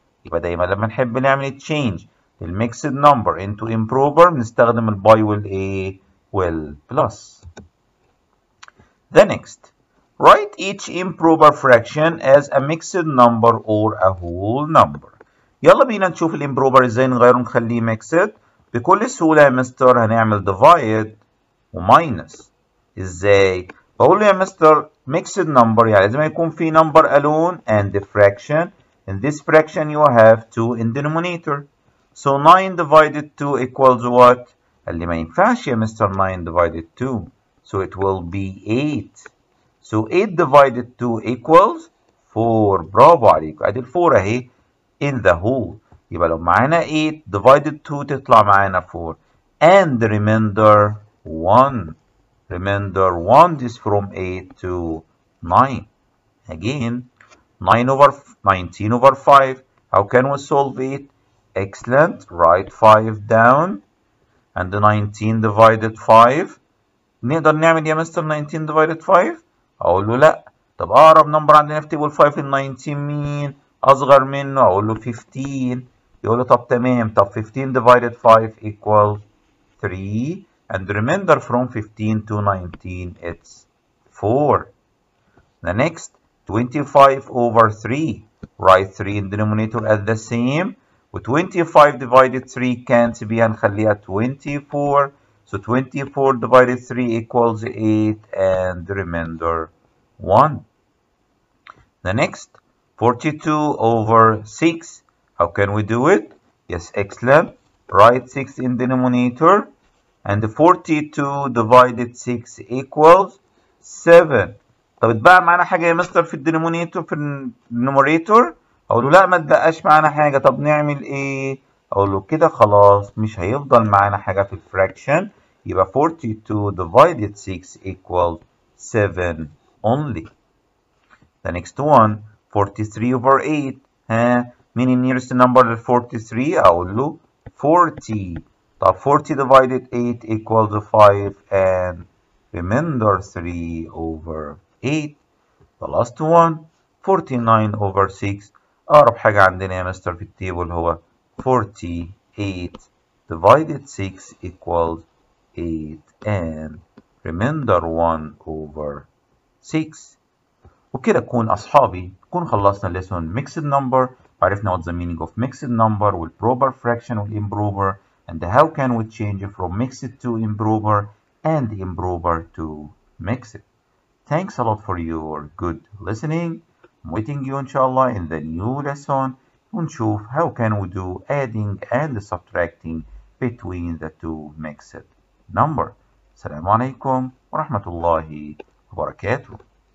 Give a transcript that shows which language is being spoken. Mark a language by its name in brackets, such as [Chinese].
[Arabic] يبقى دايما لما نحب نعمل [English] change the mixed number into improper [Arabic] نستخدم ال [English] by will a will plus. The next write each improper fraction as a mixed number or a whole number. [Arabic] يلا بينا نشوف ال improper ازاي نغيره نخليه mixed. بكل سهولة يا مستر هنعمل divide و minus. ازاي؟ بقول له يا مستر mixed number يعني لازم يكون في [English] number alone and the fraction. In this fraction you have two in denominator. So 9 divided 2 equals what? [Arabic] اللي ما ينفعش يا مستر [English] 9 divided 2. So it will be 8. So 8 divided 2 equals 4. [Arabic] برافو عليك. ادي ال 4 اهي [English] in the whole. [Arabic] يبقى لو معانا [English] 8 divided 2 [Arabic] تطلع معانا 4. [English] And the remainder 1. Remainder 1 is from 8 to 9. Again, 9 over 19 over 5. How can we solve it? Excellent. Write 5 down. And the 19 divided 5. [Arabic] نقدر نعمل يا مستر [English] 19 divided 5؟ [Arabic] أقول له لأ. طب أقرب نمبر عندنا في تيبل 5 ال 19 مين؟ أصغر منه. أقول له 15. يقول له طب تمام. طب [English] 15 divided 5 equal 3. And the remainder from 15 to 19 it's 4. The next 25 over 3. Write 3 in denominator at the same. 25 divided 3 can't be [Arabic] هنخليها [English] 24. So 24 divided 3 equals 8 and remainder 1. The next 42 over 6. How can we do it? Yes, excellent. Write 6 in denominator. And 42 divided 6 equals 7. [Arabic] طب اتبقى معانا حاجة يا مستر في الدينومينيتور في النوميريتور؟ اقول له لا ما تبقاش معانا حاجه. طب نعمل ايه؟ اقول له كده خلاص مش هيفضل معانا حاجه في الفراكشن. يبقى [English] 42 divided 6 equals 7 only. The next one 43 over 8. [Arabic] مين النيرست نمبر لل 43؟ اقول له 40. طب [English] 40 divided 8 equals 5 and remainder 3 over 8. The last one 49 over 6. [Arabic] أقرب حاجة عندنا يا مستر في التيبل هو [English] 48 divided 6 equals 8 and remainder 1 over 6. [Arabic] وكده كون أصحابي كون خلصنا [English] lesson mixed number. [Arabic] عرفنا [English] what's the meaning of mixed number with proper fraction and improper and how can we change from mixed to improper and improper to mixed. Thanks a lot for your good listening. I'm waiting you inshallah in the new lesson and show how can we do adding and subtracting between the two mixed number. [Arabic] Assalamu alaikum wa rahmatullahi wa barakatuh.